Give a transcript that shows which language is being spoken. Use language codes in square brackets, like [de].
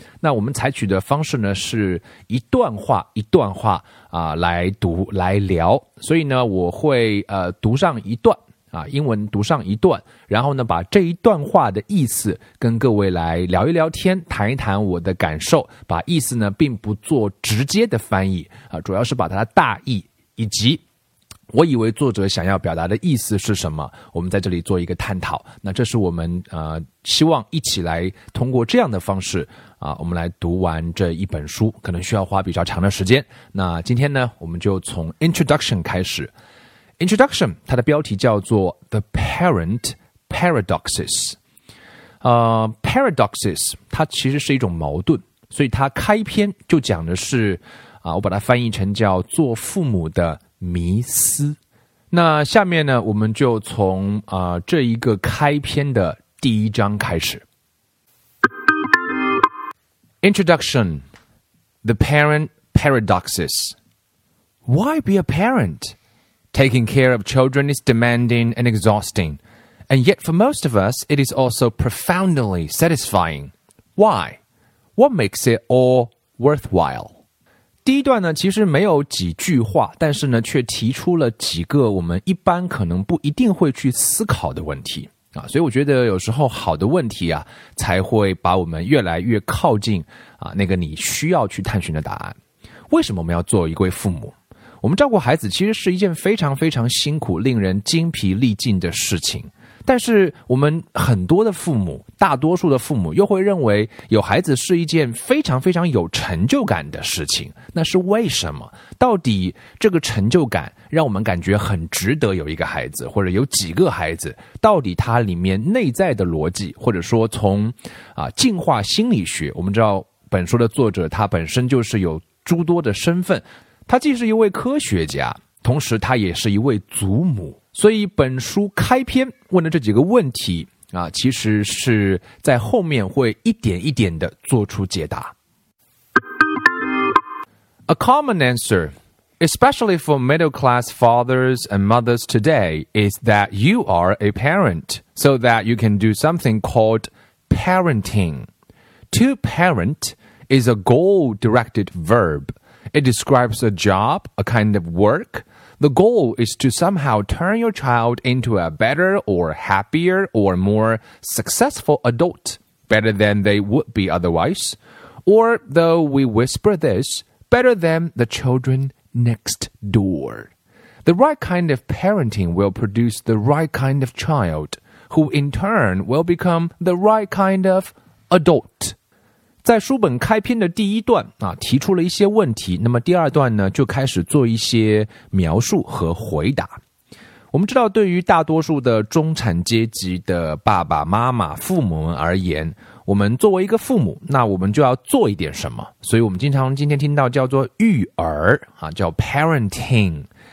[zh] 那我们采取的方式呢是一段话一段话来读来聊，所以呢我会读上一段英文读上一段，然后呢把这一段话的意思跟各位来聊一聊天，谈一谈我的感受，把意思呢并不做直接的翻译主要是把它的大意以及我以为作者想要表达的意思是什么，我们在这里做一个探讨。那这是我们希望一起来通过这样的方式我们来读完这一本书，可能需要花比较长的时间。那今天呢我们就从 introduction 开始。 introduction 它的标题叫做 The Parent Paradoxes。 paradoxes 它其实是一种矛盾，所以它开篇就讲的是我把它翻译成叫做父母的迷思。那下面呢我们就从这一个开篇的第一章开始。 [en] Introduction The Parent Paradoxes。 Why be a parent? Taking care of children is demanding and exhausting, and yet for most of us it is also profoundly satisfying. Why? What makes it all worthwhile? [zh] 第一段呢其实没有几句话，但是呢却提出了几个我们一般可能不一定会去思考的问题所以我觉得有时候好的问题才会把我们越来越靠近那个你需要去探寻的答案。为什么我们要做一位父母？我们照顾孩子其实是一件非常非常辛苦令人精疲力尽的事情，但是我们很多的父母，大多数的父母又会认为有孩子是一件非常非常有成就感的事情。那是为什么？到底这个成就感让我们感觉很值得有一个孩子，或者有几个孩子，到底它里面内在的逻辑，或者说从进化心理学，我们知道本书的作者他本身就是有诸多的身份，他既是一位科学家，同时他也是一位祖母。所以本书开篇问的这几个问题其实是在后面会一点一点的做出解答。 [en] A common answer, especially for middle class fathers and mothers today, is that you are a parent, so that you can do something called parenting. To parent is a goal-directed verb. It describes a job, a kind of work,The goal is to somehow turn your child into a better or happier or more successful adult, better than they would be otherwise. Or, though we whisper this, better than the children next door. The right kind of parenting will produce the right kind of child, who in turn will become the right kind of adult. [zh] 在书本开篇的第一段提出了一些问题，那么第二段呢就开始做一些描述和回答。我们知道对于大多数的中产阶级的爸爸妈妈父母们而言，我们作为一个父母，那我们就要做一点什么，所以我们经常今天听到叫做育儿叫 parenting。